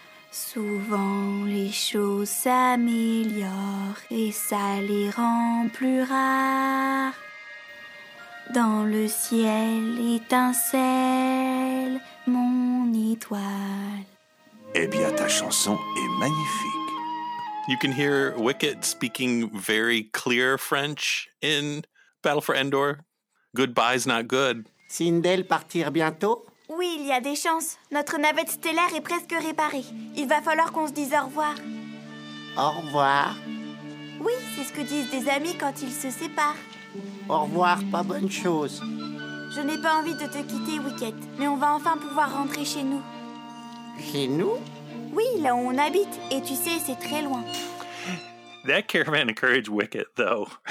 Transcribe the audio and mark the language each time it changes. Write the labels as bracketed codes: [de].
[fr] Souvent les choses s'améliorent et ça les rend plus rares. Dans le ciel étincelle mon étoile. Eh bien, ta chanson est magnifique. [en] You can hear Wicket speaking very clear French in Battle for Endor. Goodbye's not good. [fr] Sindel partir bientôt? Oui, il y a des chances. Notre navette stellaire est presque réparée. Il va falloir qu'on se dise au revoir. Au revoir. Oui, c'est ce que disent des amis quand ils se séparent. Au revoir, pas bonne chose. Je n'ai pas envie de te quitter, Wicket, mais on va enfin pouvoir rentrer chez nous. Chez nous? Oui, là où on habite, et tu sais, c'est très loin. [en] That caravan encouraged Wicket, though.